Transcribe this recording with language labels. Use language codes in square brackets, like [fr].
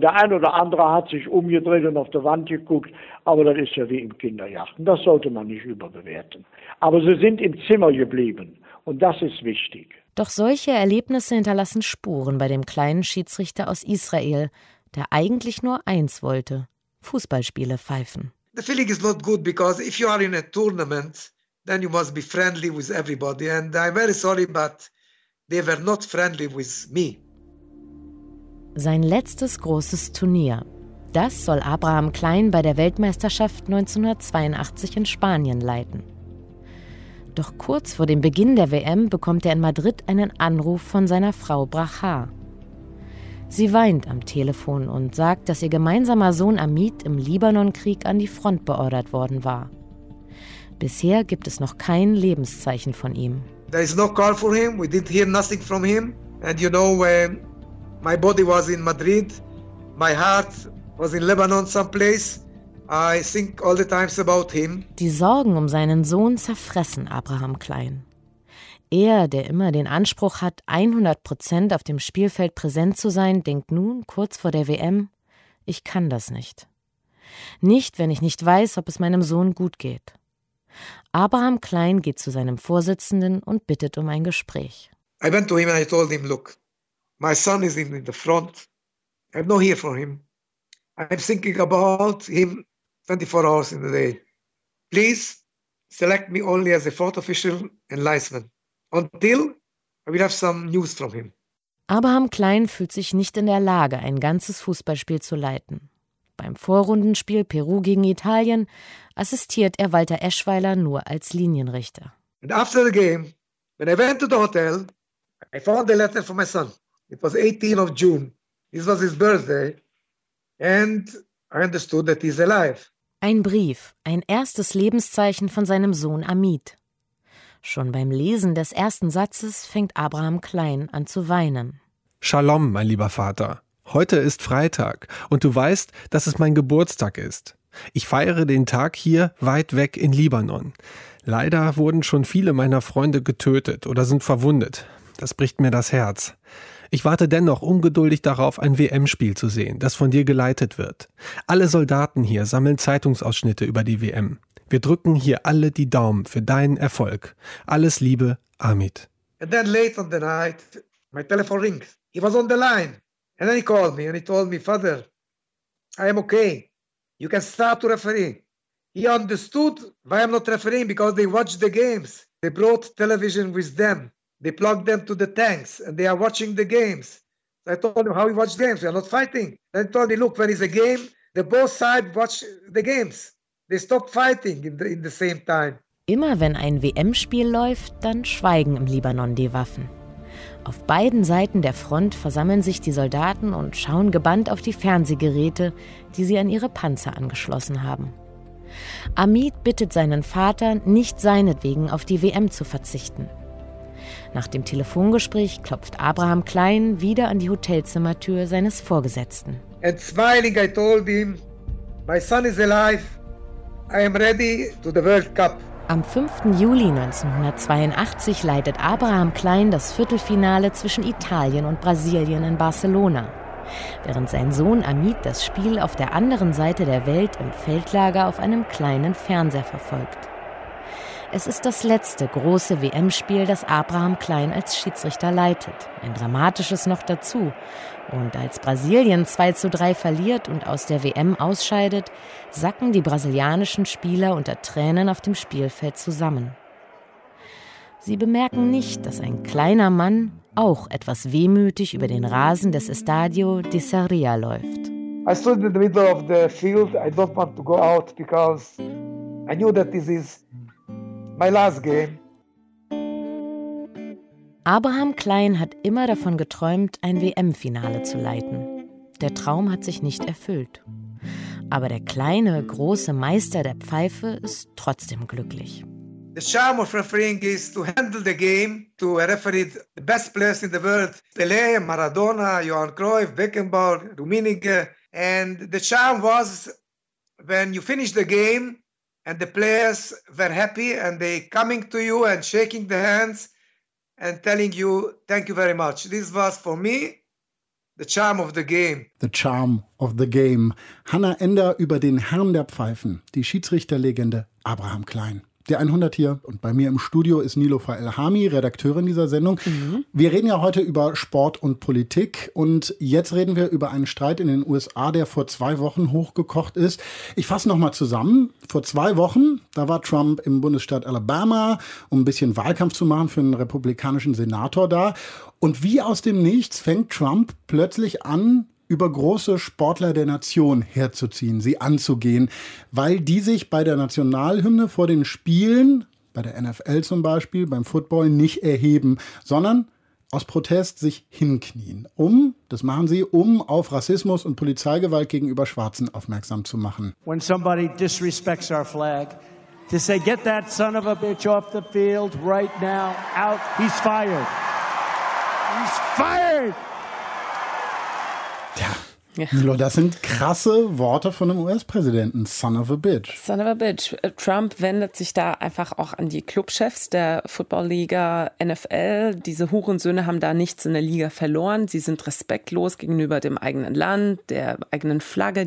[de] Der ein oder andere hat sich umgedreht und auf die Wand geguckt. Aber das ist ja wie im Kinderjachten. Das sollte man nicht überbewerten. Aber sie sind im Zimmer geblieben. Und das ist wichtig. Doch solche Erlebnisse hinterlassen Spuren bei dem kleinen Schiedsrichter aus Israel, der eigentlich nur eins wollte. Fußballspiele pfeifen. [en] The feeling is not good because if you are in a tournament, then you must be friendly with everybody. And I'm very sorry, but they were not friendly with me. [de] Sein letztes großes Turnier. Das soll Abraham Klein bei der Weltmeisterschaft 1982 in Spanien leiten. Doch kurz vor dem Beginn der WM bekommt er in Madrid einen Anruf von seiner Frau Brajá. Sie weint am Telefon und sagt, dass ihr gemeinsamer Sohn Amit im Libanonkrieg an die Front beordert worden war. Bisher gibt es noch kein Lebenszeichen von ihm. [en] There is no call for him. We didn't hear nothing from him. And you know, my body was in Madrid. My heart was in Lebanon someplace. I think all the times about him. [de] Die Sorgen um seinen Sohn zerfressen Abraham Klein. Er, der immer den Anspruch hat, 100% auf dem Spielfeld präsent zu sein, denkt nun, kurz vor der WM, ich kann das nicht. Nicht, wenn ich nicht weiß, ob es meinem Sohn gut geht. Abraham Klein geht zu seinem Vorsitzenden und bittet um ein Gespräch. [en] I went to him and I told him, look, my son is in the front. I have no ear for him. I'm thinking about him 24 hours in the day. Please select me only as a fourth official and linesman until I will have some news from him. [de] Abraham Klein fühlt sich nicht in der Lage, ein ganzes Fußballspiel zu leiten. Beim Vorrundenspiel Peru gegen Italien assistiert er Walter Eschweiler nur als Linienrichter. [en] And after the game, when I went to the hotel, I found a letter from my son. It was 18th of June. This was his birthday. And I understood that he's alive. [de] Ein Brief, ein erstes Lebenszeichen von seinem Sohn Amit. Schon beim Lesen des ersten Satzes fängt Abraham Klein an zu weinen. Shalom, mein lieber Vater. Heute ist Freitag und du weißt, dass es mein Geburtstag ist. Ich feiere den Tag hier weit weg in Libanon. Leider wurden schon viele meiner Freunde getötet oder sind verwundet. Das bricht mir das Herz. Ich warte dennoch ungeduldig darauf, ein WM-Spiel zu sehen, das von dir geleitet wird. Alle Soldaten hier sammeln Zeitungsausschnitte über die WM. Wir drücken hier alle die Daumen für deinen Erfolg. Alles Liebe, Amit. [en] And then late on the night, my telephone rings. He was on the line. And then he called me and he told me, Father, I am okay. You can start to referee. He understood why I'm not refereeing, because they watched the games. They brought television with them. They plugged them to the tanks and they are watching the games. I told him how we watch games. We are not fighting. Then he told me, look, when it's a game, the both sides watch the games. They stop fighting in the same time. [de] Immer wenn ein WM-Spiel läuft, dann schweigen im Libanon die Waffen. Auf beiden Seiten der Front versammeln sich die Soldaten und schauen gebannt auf die Fernsehgeräte, die sie an ihre Panzer angeschlossen haben. Amit bittet seinen Vater, nicht seinetwegen auf die WM zu verzichten. Nach dem Telefongespräch klopft Abraham Klein wieder an die Hotelzimmertür seines Vorgesetzten. [en] And smiling, I told him, my son is alive. I am ready to the World Cup. [de] Am 5. Juli 1982 leitet Abraham Klein das Viertelfinale zwischen Italien und Brasilien in Barcelona, während sein Sohn Amit das Spiel auf der anderen Seite der Welt im Feldlager auf einem kleinen Fernseher verfolgt. Es ist das letzte große WM-Spiel, das Abraham Klein als Schiedsrichter leitet. Ein dramatisches noch dazu. Und als Brasilien 2-3 verliert und aus der WM ausscheidet, sacken die brasilianischen Spieler unter Tränen auf dem Spielfeld zusammen. Sie bemerken nicht, dass ein kleiner Mann auch etwas wehmütig über den Rasen des Estadio de Sarria läuft. [en] I stood in the middle of the field. I don't want to go out because I knew that this is my last game. [de] Abraham Klein hat immer davon geträumt, ein WM-Finale zu leiten. Der Traum hat sich nicht erfüllt. Aber der kleine, große Meister der Pfeife ist trotzdem glücklich. [en] The charm of refereeing is to handle the game, to referee the best players in the world. Pelé, Maradona, Johan Cruyff, Beckenbauer, Rummenigge. And the charm was when you finish the game, and the players were happy and they coming to you and shaking the hands and telling you thank you very much. This was for me the charm of the game. The charm of the game. [de] Hannah Ender über den Herrn der Pfeifen, die Schiedsrichterlegende Abraham Klein. Der 100 hier und bei mir im Studio ist Niloufar Elhami, Redakteurin dieser Sendung. Mhm. Wir reden ja heute über Sport und Politik und jetzt reden wir über einen Streit in den USA, der vor 2 Wochen hochgekocht ist. Ich fasse nochmal zusammen. Vor 2 Wochen, da war Trump im Bundesstaat Alabama, um ein bisschen Wahlkampf zu machen für einen republikanischen Senator da. Und wie aus dem Nichts fängt Trump plötzlich an, über große Sportler der Nation herzuziehen, sie anzugehen, weil die sich bei der Nationalhymne vor den Spielen, bei der NFL zum Beispiel, beim Football nicht erheben, sondern aus Protest sich hinknien, um auf Rassismus und Polizeigewalt gegenüber Schwarzen aufmerksam zu machen. [en] When somebody disrespects our flag, to say, get that son of a bitch off the field right now, out, he's fired. He's fired! [de] Milo, das sind krasse Worte von einem US-Präsidenten. [en] Son of a bitch. Son of a bitch. [de] Trump wendet sich da einfach auch an die Clubchefs der Football-Liga NFL. Diese Hurensöhne haben da nichts in der Liga verloren. Sie sind respektlos gegenüber dem eigenen Land, der eigenen Flagge.